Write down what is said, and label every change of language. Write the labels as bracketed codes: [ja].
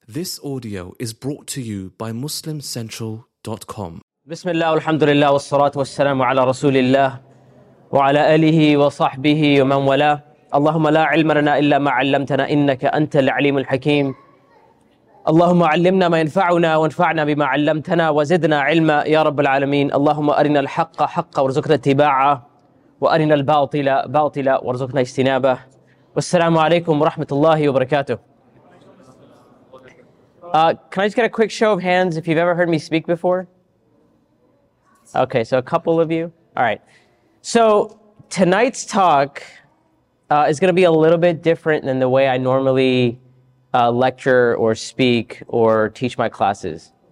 [en] This audio is brought to you by MuslimCentral.com. [ar] بسم الله والحمد لله والصلاة والسلام على رسول الله وعلى آله وصحبه ومن والاه. اللهم لا علم لنا إلا ما علمتنا إنك أنت العليم الحكيم. اللهم علمنا ما ينفعنا وانفعنا بما علمتنا وزدنا علما يا رب العالمين. اللهم أرنا الحق حقا وارزقنا اتباعه وأرنا الباطل باطلا وارزقنا اجتنابه. والسلام عليكم ورحمة الله وبركاته. [en] Can I just get a quick show of hands if you've ever heard me speak before? Okay, so a couple of you. All right. So tonight's talk is going to be a little bit different than the way I normally lecture or speak or teach my classes.